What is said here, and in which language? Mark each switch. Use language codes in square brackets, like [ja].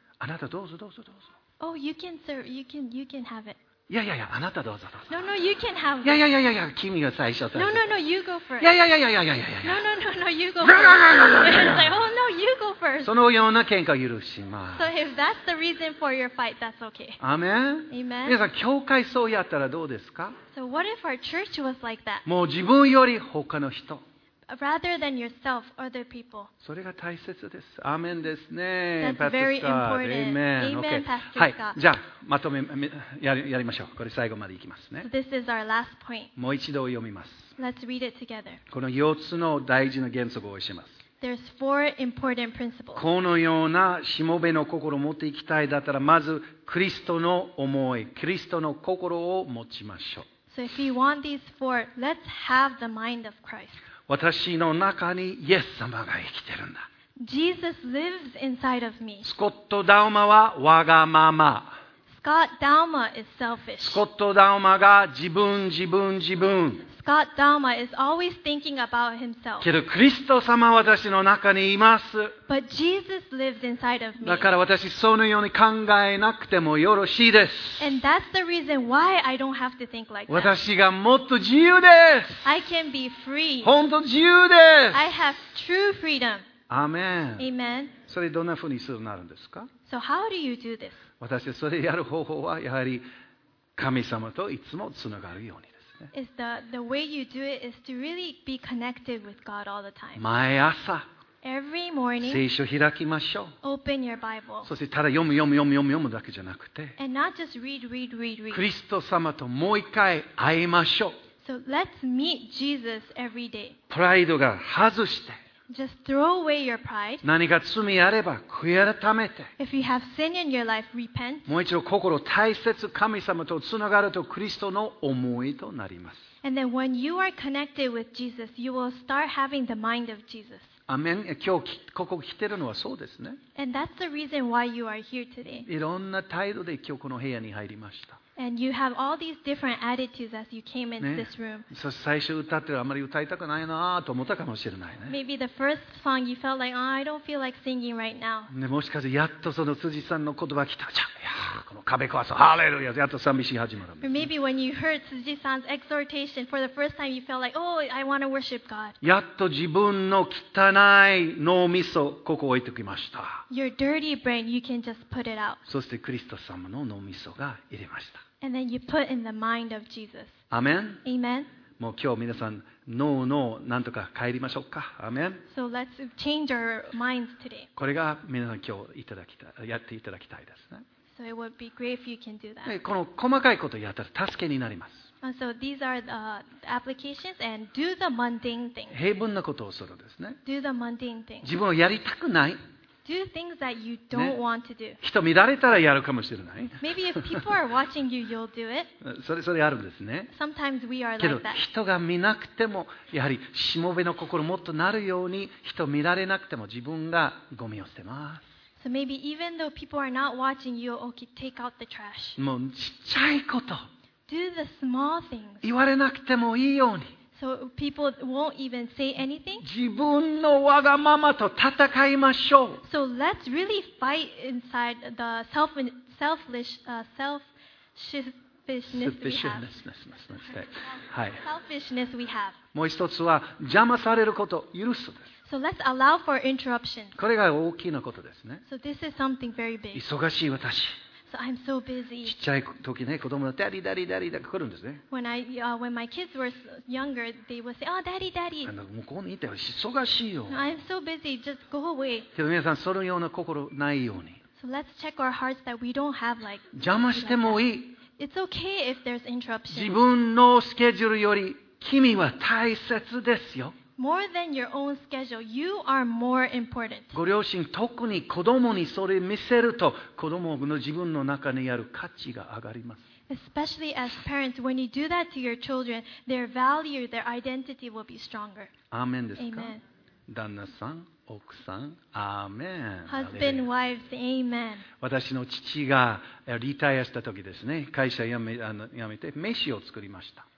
[ja] あなたどうぞどうぞどうぞ。 [en] Oh, you can serve. You can have it. [ja] いやいやいや、あなたどうぞどうぞ。 [en] No, you can have it. [ja] いやいやいやいや、君が最初。 [en] No, you go first. [ja] いやいやいやいやいやいやいや。 [en] No, you go first. [ja] いやいやいやいや。 [en] Oh, no, you go first. [ja] そのような喧嘩許します。 [en] So if that's the reason for your fight, that's okay. Amen. Amen. [ja] 皆さん、教会そうやったらどうですか [en] ？So what if our church was like that? [ja] もう自分より他の人。 [en] Rather than yourself, other people. [ja] それが大切です。アーメンですね。 [en] That's very important. Amen. Amen, Pastor Scott. [ja] はい。じゃあまとめやりましょう。これ最後までいきますね。 [en] So、this is our last point. [ja] もう一度読みます。 [en] Let's read it together. [ja] この四つの大事な原則を教えます。 [en] There's four important principles. [ja] このようなしもべの心を持っていきたいだったら、まずクリストの思い、クリストの心を持ちましょう。 [en] So if you want these four, let's have the mind of Christ. [ja] 私の中にイエス様が生きてるんだ。 [en] Jesus lives inside of me. [ja] スコット・ダウマはわがまま。 [en] Scott Dauma is selfish. [ja] スコット・ダウマが自分、自分、自分。 [en] Scott Dauma is always thinking about himself. [ja] けどクリスト様は私の中にいます。 [en] But Jesus lives inside of me. [ja] だから私そのように考えなくてもよろしいです。 [en] And that's the reason why I don't have to think like that. [ja] 私がもっと自由です。 [en] I can be free. [ja] 本当自由です。 [en] I have true freedom. [ja] アーメン。 [en] Amen. [ja] それどんなふうにするなるんですか [en] ？So how do you do this? [ja] 私はそれやる方法はやはり神様といつもつながるように。 [en] Is the way you do it is to really be connected with God all the time. [ja] 毎朝。 [en] Every morning. [ja] 聖書開きましょう。 [en] Open your Bible. [ja] そしてただ読む読む読む読む読むだけじゃなくて。 [en] And not just read, read, read, read. [ja] クリスト様ともう一回会いましょう。 [en] So let's meet Jesus every day. [ja] プライドが外して。 [en] Just throw away your pride. [ja] 何か罪あれば悔い改めて。 [en] If you have sin in your life, repent. [ja] もう一度心を大切神様とつながるとクリストの思いとなります。 [en] And then when you are connected with Jesus, you will start having the mind of Jesus. [ja] アメン。今日ここ来てるのはそうですね。 [en] And that's the reason why you are here today. [ja] いろんな態度で今日この部屋に入りました。 [en] And you have all these different attitudes as you came into this room. [ja] 最初歌ってあまり歌いたくないなと思ったかもしれないね。 [en] Maybe the first song you felt like, oh, I don't feel like singing right now. [ja] ね、もしかしてやっとその辻さんの言葉来たじゃん。いやこの壁壊そう。ハレルヤ。やっと賛美し始まるんです、ね。 [en] Or maybe when you heard Tsuji-san's exhortation for the first time, you felt like, oh, I want to worship God. [ja] やっと自分の汚い脳みそここ置いてきました。 [en] Your dirty brain, you can just put it out. [ja] そしてクリスト様の脳みそが入れました。 [en] And then you put in the mind of Jesus. Amen. Amen. [ja] もう今日皆さん脳の何とか帰りましょうか。 [en] Amen. So let's change our minds today. [ja] これが皆さん今日いただきたい、やっていただきたいですね。 [en] So it would be great if you can do that. [ja] この細かいことをやったら助けになります。 [en] And so these are the applications and do the mundane things. [ja] 平凡なことをするですね。 [en] Do the mundane things. [ja] 自分をやりたくない。 [en] Do things that you don't want to do. [ja] 人見られたらやるかもしれない。 [en] Maybe if people are watching you, you'll do it. [ja] それあるんですね。 [en] Sometimes we are like that. [ja] けど人が見なくてもやはりしもべの心もっとなるように人見られなくても自分がゴミを捨てます。 [en] So maybe even though people are not watching you, okay, take out the trash. [ja] もうちっちゃいこと。 [en] Do the small things. [ja] 言われなくてもいいように。 [en] So people won't even say anything. [ja] 自分のわがままと戦いましょう。 [en] So let's really fight inside the selfishness we have. [ja] もう一つは邪魔されること許すです。 [en] So let's allow for interruption. [ja] これが大きなことですね。 [en] So this is something very big. [ja] 忙しい私。 [en] So I'm so busy. [ja] ちっちゃい時ね、子供のダリダリダリだか来るんですね。 [en] When I, when my kids were younger, they would say, "Oh, daddy, daddy." [ja] あの向こうにいて忙しいよ。 [en] I'm so busy. Just go away. [ja] けど皆さんそのような心ないように。 [en] So let's check our hearts that we don't have like. [ja] 邪魔してもいい。 [en] It's okay if there's interruption. [ja] 自分のスケジュールより君は大切ですよ。 [en] More than your own schedule, you are more important. [ja] ご両親、特に子供にそれ見せると、子供の自分の中にある価値が上がります。 [en] Especially as parents, when you do that to your children, their value, their identity will be stronger. [ja] アーメンですか？Amen. 旦那さん、奥さん、アーメン。 [en] Husband, wives, amen. [ja] 私の父がリタイアした時ですね、会社辞めて名刺を作りました。